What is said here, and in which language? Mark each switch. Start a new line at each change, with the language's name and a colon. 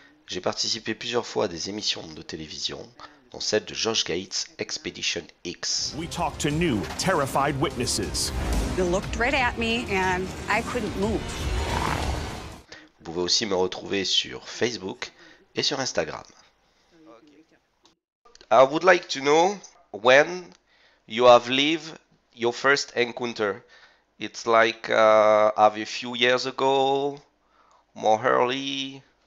French: J'ai participé plusieurs fois à des émissions de télévision, dont celle de Josh Gates, Expedition X.
English: We talked to new, terrified witnesses. They looked right at me and I couldn't move.
French: Vous pouvez aussi me retrouver sur Facebook et sur Instagram.
English: I would like to know when you have lived your first encounter. It's like have a few years ago, more early.